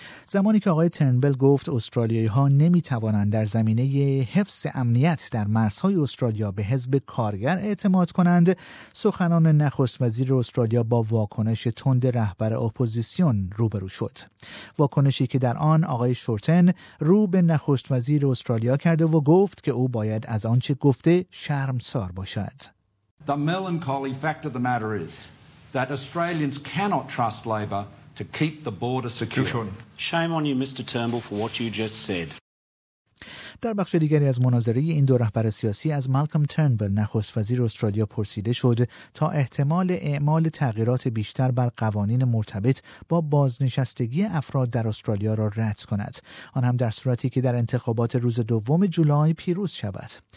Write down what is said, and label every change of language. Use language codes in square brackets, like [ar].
[fa] زمانی که آقای ترنبل گفت استرالیایی ها نمی توانند در زمینه حفظ امنیت در مرزهای استرالیا به حزب کارگر اعتماد کنند، سخنان نخست وزیر استرالیا با واکنش تند رهبر اپوزیسیون روبرو شد. واکنشی که در آن آقای شورتن رو به نخست وزیر استرالیا کرده و گفت که او باید از آنچه گفته شرمسار باشد. [en] The melancholy fact of the matter is that Australians cannot trust Labor to keep the border secure. Shame on you, Mr. Turnbull, for what you just said. [fa] در بخش دیگری از مناظره این دو رهبر سیاسی از مالکم ترنبل، نخست وزیر استرالیا، پرسیده شد تا احتمال اعمال تغییرات بیشتر بر قوانین مرتبط با بازنشستگی افراد در استرالیا را رد کند، آن هم در صورتی که در انتخابات روز دوم جولای پیروز شود.